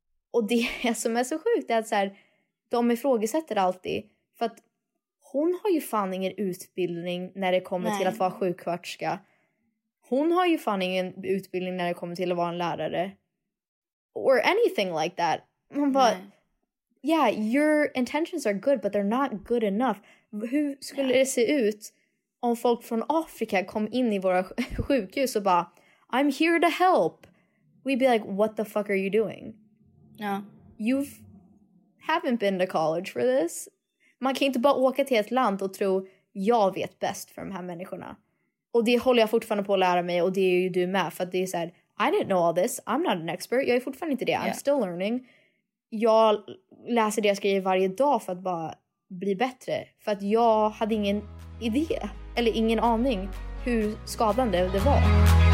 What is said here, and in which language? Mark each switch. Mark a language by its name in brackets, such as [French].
[Swedish] Och det som är så sjukt är att så här, de ifrågasätter alltid. För att hon har ju fan ingen utbildning när det kommer till att vara sjuksköterska. Hon har ju fan ingen utbildning när det kommer till att vara en lärare. [English] Or anything like that. [Swedish] Man bara, [English] yeah, your intentions are good, but they're not good enough. [Swedish] Hur skulle det se ut om folk från Afrika kom in i våra sjukhus och bara, [English] I'm here to help. We'd be like, what the fuck are you doing? [Swedish] Ja. [English] You haven't been to college for this. [Swedish] Man kan inte bara åka till ett land och tro, jag vet bäst för de här människorna. Och det håller jag fortfarande på att lära mig, och det är ju du med, för att det är såhär, [English] I didn't know all this, I'm not an expert, [Swedish] jag är fortfarande inte det, [English] I'm still learning. [Swedish] Jag läser det jag skriver varje dag för att bara bli bättre, för att jag hade ingen idé, eller ingen aning hur skadande det var.